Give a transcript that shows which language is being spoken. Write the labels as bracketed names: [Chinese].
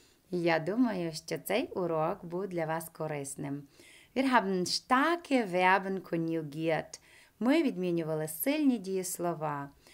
[Ukrainian] Я думаю, що цей урок був для вас корисним. [German] Wir haben starke Verben konjugiert. [Ukrainian] Ми відмінювали сильні дієслова.